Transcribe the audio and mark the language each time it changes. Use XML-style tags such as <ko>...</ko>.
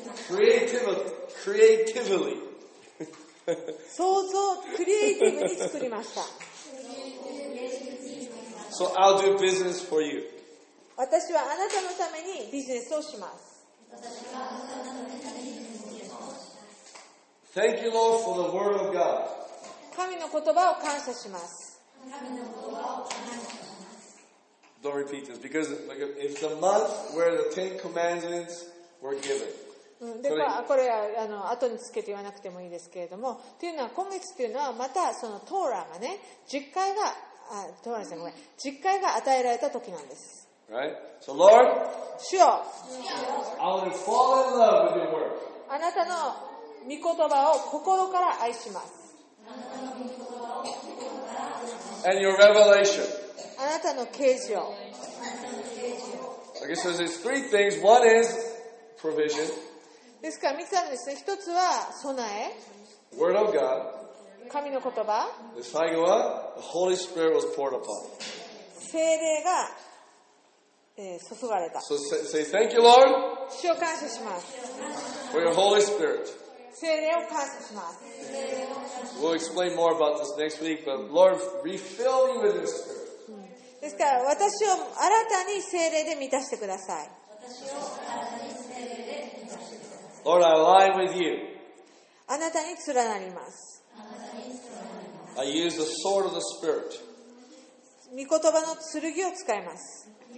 <en>Creatively.</en> <ja>想像、クリエイティブに作りました。</ja> <en>So I'll do business for you.</en> <ja>私はあなたのためにビジネスをします。</ja> <en>Thank you, Lord, for the word of God.</en> <ja>神の言葉を感謝します。</ja> <en>Don't repeat this because like if the month where the Ten Commandments were given.</en> <ja>で、まあ、これはあの後につけて言わなくてもいいですけれども、というのは今月というのはまたそのトーラがね、十回が、あ、トーラですね、ごめん、十回が与えられた時なんです。</ja> <en>Right? So Lord,</en> <ja>主よ、</ja> <en>I will fall in love with your word.</en> <ja>あなたの御言葉を心から愛します。</ja> <en>And your revelation.</en> <ja>あなたの啓示を。</ja> <en>Okay, so there's three things. One is provision.</en> <ja>ですから三つあるんですね。一つは備え。</ja> <en>Word of God.</en> <ja>神の言葉。で最後は</ja> <en>the Holy Spirit was poured upon.</en> <ja>聖霊が、注がれた。</ja> <en>So say thank you, Lord.</en> <ja>主を感謝します。</ja> <en>For your Holy Spirit.</en> <ja>聖霊を感謝します。</ja> <en>We'll explain more about this next week, but Lord, refill me with your spirit.</en> <ja>ですから、私を新たに聖霊で満たしてください。</ja> <en>Lord, I align with you.</en> <ja>あなたに連なります。</ja> <en>I use the sword of the Spirit.</en> <ja>御言葉の剣を使います。</ja>